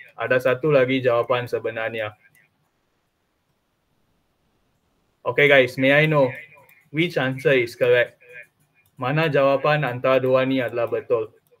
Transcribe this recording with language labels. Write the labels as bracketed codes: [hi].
[ms] Ada satu lagi jawapan sebenarnya. [en] Okay, guys, may I know which answer is correct? [ms] Mana jawapan antara dua ni adalah betul?